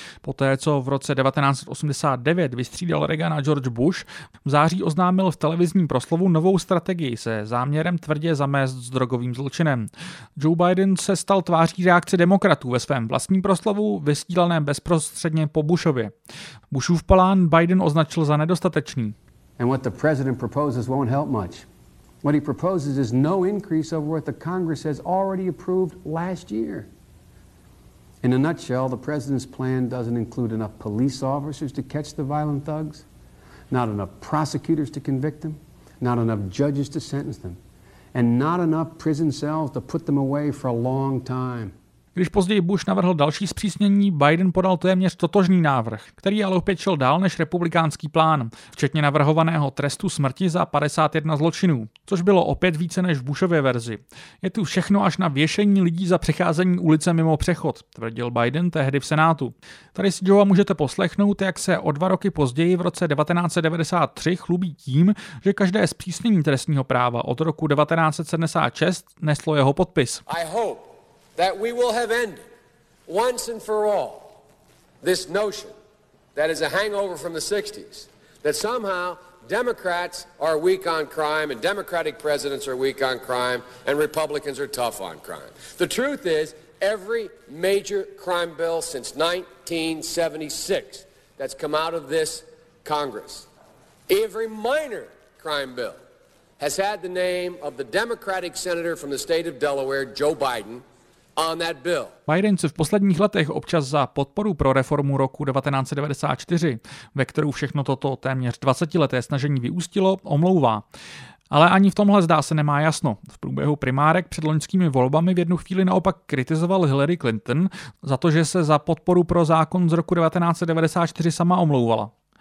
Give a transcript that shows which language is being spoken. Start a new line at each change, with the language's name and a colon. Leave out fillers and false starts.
Czech: Poté, co v roce 1989 vystřídal Reagana George Bush, v září oznámil v televizním proslovu novou strategii se záměrem tvrdě zamést s drogovým zločinem. Joe Biden se stal tváří reakce demokratů ve svém vlastním proslovu, vysílaném bezprostředně po Bushově. Bushův plán Biden označil za nedostatečný.
English: And what the president proposes won't help much. What he proposes is no increase over what the Congress has already approved last year. In a nutshell, the president's plan doesn't include enough police officers to catch the violent thugs, not enough prosecutors to convict them, not enough judges to sentence them, and not enough prison cells to put them away for a long time.
Czech: Když později Bush navrhl další zpřísnění, Biden podal téměř totožný návrh, který ale opět šel dál než republikánský plán, včetně navrhovaného trestu smrti za 51 zločinů, což bylo opět více než v Bushově verzi. Je tu všechno až na věšení lidí za přecházení ulice mimo přechod, tvrdil Biden tehdy v Senátu. Tady si Joe můžete poslechnout, jak se o 2 roky později v roce 1993 chlubí tím, že každé zpřísnění trestního práva od roku 1976 neslo jeho podpis.
English: That we will have ended, once and for all, this notion that is a hangover from the 60s, that somehow Democrats are weak on crime and Democratic presidents are weak on crime and Republicans are tough on crime. The truth is, every major crime bill since 1976 that's come out of this Congress, every minor crime bill has had the name of the Democratic senator from the state of Delaware, Joe Biden, on that bill.
Czech: Biden se v posledních letech občas za podporu pro reformu roku 1994, ve kterou všechno toto téměř 20leté snažení vyústilo, omlouvá. Ale ani v tomhle zdá se nemá jasno. V průběhu primárek před loňskými volbami v jednu chvíli naopak kritizoval Hillary Clinton za to, že se za podporu pro zákon z roku 1994 sama omlouvala.